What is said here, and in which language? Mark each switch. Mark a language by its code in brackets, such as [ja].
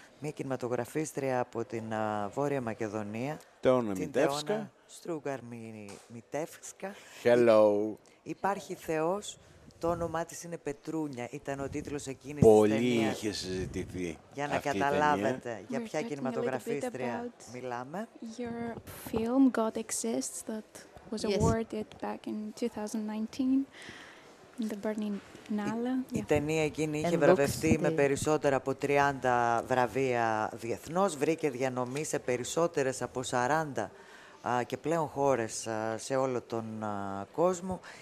[el] Μία κινηματογραφίστρια από την Βόρεια Μακεδονία. Τεώνα Μητεύσκα. Στρούγκαρ Μητεύσκα. [en] Hello. [el] Υπάρχει Θεός. Το όνομά της είναι Πετρούνια. Ήταν ο τίτλος εκείνης της ταινίας. Πολύ είχε συζητηθεί. Για να καταλάβετε για ποια κινηματογραφίστρια μιλάμε. [en] Your film God Exists that was awarded back in 2019 in the Berlin Biennale. [el] Η ταινία εκείνη είχε βραβευτεί με περισσότερα από 30 βραβεία διεθνώς. Βρήκε διανομή σε περισσότερες από 40 και πλέον χώρες σε όλο τον κόσμο.